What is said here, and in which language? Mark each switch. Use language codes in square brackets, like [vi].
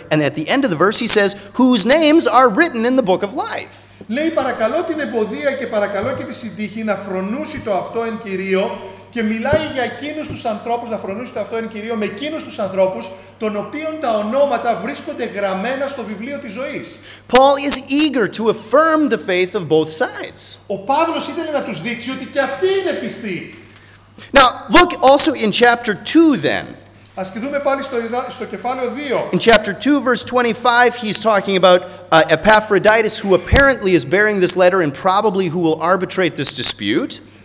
[en] And at the end of the verse he says, whose names are written in the book of life. [el] Λέει, παρακαλώ την Ευωδία και παρακαλώ και τη Συντύχη να φρονούσει το αυτό εν Κυρίω. Και μιλάει για εκείνους τους ανθρώπους, να φρονούσετε αυτό εν Κυρίω, με εκείνους τους ανθρώπους, των οποίων τα ονόματα βρίσκονται γραμμένα στο βιβλίο της ζωής. [en] Paul is eager to affirm the faith of both sides. [el] Ο Παύλος ήθελε να τους δείξει ότι και αυτοί είναι πιστοί. [en] Now, look also in chapter 2 then. [el] Ας δούμε πάλι στο κεφάλαιο 2. [en] In chapter 2, verse 25, he's talking about Epaphroditus, who apparently is bearing this letter and probably who will arbitrate this dispute.